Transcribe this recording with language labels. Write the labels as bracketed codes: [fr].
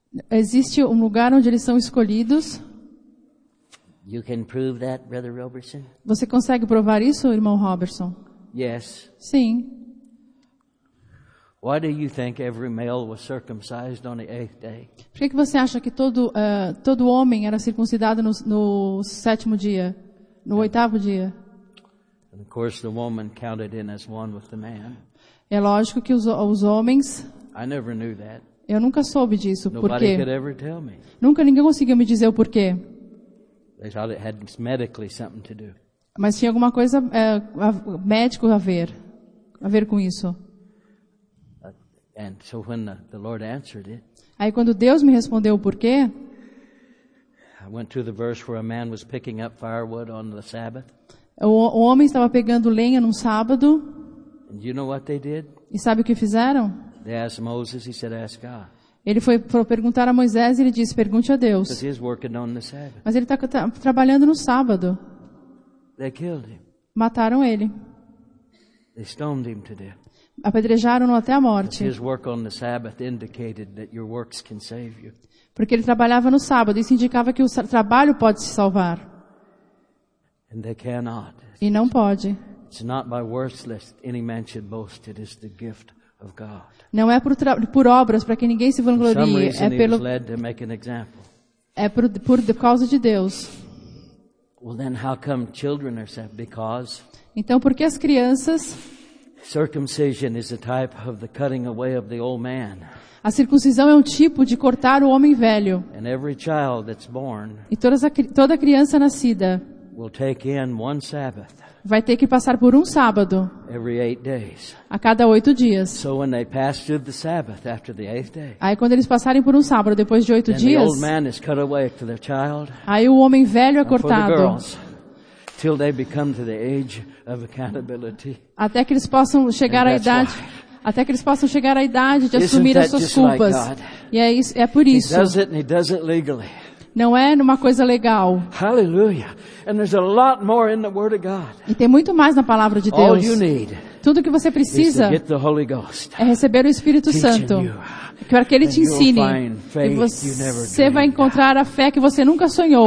[pt] Existe lugar onde eles são escolhidos. [en] You can prove that, Brother Robertson? [pt] Você consegue provar isso, irmão Robertson? [en] Yes. [pt] Sim. [en] Why do you think every male was circumcised on the eighth day? [pt] Por que você acha que todo homem era circuncidado no sétimo dia, no oitavo dia? [en] And of course, the woman counted in as one with the man. [pt] É lógico que os homens. [en] I never knew that. [pt] Eu nunca soube disso. [en] Nobody [pt] por quê? [en] Could ever tell me. [pt] Nunca ninguém conseguiu me dizer o porquê. [en] They thought it had medically something to do. [pt] Mas tinha alguma coisa médico a ver com isso. [en] And so when the Lord answered it, [pt] aí quando Deus me respondeu o porquê, [en] I went to the verse where a man was picking up firewood on the Sabbath. [pt] O homem estava pegando lenha num sábado. [en] And you know what they did? [pt] E sabe o que fizeram? [en] They asked Moses, he said, ask God. [pt] Ele foi perguntar a Moisés e ele disse, pergunte a Deus. [en] But he is working on the Sabbath. [pt] Mas ele está trabalhando no sábado. [en] They killed him. [pt] Mataram ele. [en] They stoned him to death. [pt] Apedrejaram-no até a morte. [en] His work on the Sabbath indicated that your works can save you. [pt] Porque ele trabalhava no sábado. Isso indicava que o trabalho pode se salvar. [en] And they cannot. [pt] E não pode. [en] It's not by works lest any man should boast. It is the gift of God. [pt] Não é por obras para que ninguém se vanglorie. É pelo. [en] Led to make an example. [pt] É por causa de Deus. [en] Well, then how come children are saved? Because. [pt] Então por que as crianças. [en] Circumcision is a type of the cutting away of the old man. [pt] A circuncisão é um tipo de cortar o homem velho. [en] And every child that's born. [pt] E toda criança nascida. [en] Will take in one Sabbath. [pt] Vai ter que passar por um sábado. [en] Every 8 days. [pt] A cada 8 dias. [en] So when they pass through the Sabbath after the 8th day. [pt] Aí quando eles passarem por um sábado depois de 8 dias. [en] The old man is cut away to their child. [pt] Aí o homem velho é cortado. [en] Till they become to the age of accountability. [pt] Até que eles possam chegar à idade, até que eles possam chegar à idade de assumir as suas culpas. [en] Like, [pt] e é isso, é por isso. [en] He does it and he does it legally. [pt] Não é numa coisa legal. [en] Hallelujah. And there's a lot more in the word of God. [pt] E tem muito mais na palavra de Deus. [en] All you need. [pt] Tudo que você precisa [en] is to get the Holy Ghost. [pt] É receber o Espírito Santo. Para que ele te ensine. E você vai encontrar a fé que você nunca sonhou.